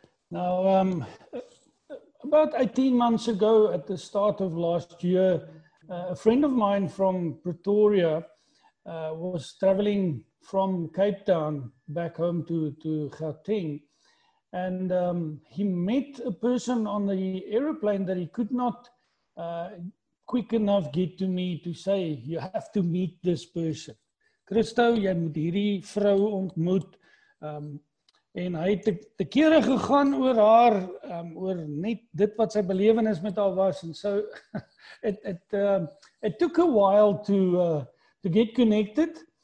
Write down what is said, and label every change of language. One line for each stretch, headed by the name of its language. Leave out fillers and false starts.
English: Now, about 18 months ago, at the start of last year, a friend of mine from Pretoria was traveling from Cape Town back home to Gauteng, and he met a person on the aeroplane that he could not quick enough get to me to say, you have to meet this person.
Afrikaans: Christo, jy moet hierdie vrou ontmoet. En hy het te kere gegaan oor haar, oor net dit wat sy belewenis met haar was.
English: And so it took a while to get connected.